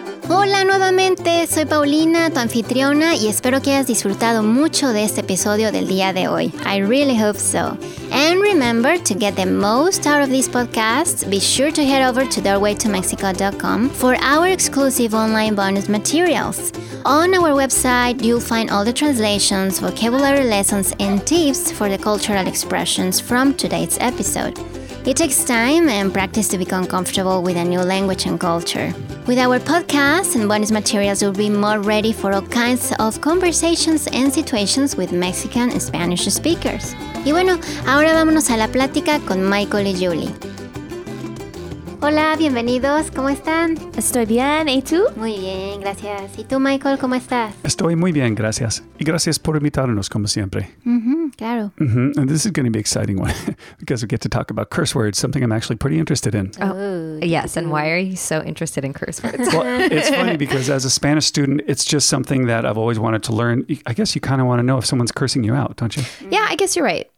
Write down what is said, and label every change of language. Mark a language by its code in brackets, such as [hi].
[es] Hola nuevamente, soy Paulina, tu anfitriona, y espero que hayas disfrutado mucho de este episodio del día de hoy. [en] I really hope so. And remember, to get the most out of this podcast, be sure to head over to doorwaytomexico.com for our exclusive online bonus materials. On our website, you'll find all the translations, vocabulary lessons, and tips for the cultural expressions from today's episode. It takes time and practice to become comfortable with a new language and culture. With our podcast and bonus materials, you'll be more ready for all kinds of conversations and situations with Mexican and Spanish speakers. [es] Y bueno, ahora vámonos a la plática con Michael y Julie. Hola, bienvenidos, ¿cómo están? Estoy bien, ¿y tú? Muy bien, gracias. ¿Y tú, Michael, cómo estás? Estoy muy bien, gracias. Y gracias por invitarnos, como siempre. Mm-hmm, claro. Mm-hmm. [en] And this is going to be an exciting one, because we get to talk about curse words, something I'm actually pretty interested in. Oh, yes, and why are you so interested in curse words? Well, it's funny, because as a Spanish student, it's just something that I've always wanted to learn. I guess you kind of want to know if someone's cursing you out, don't you? Yeah, I guess you're right.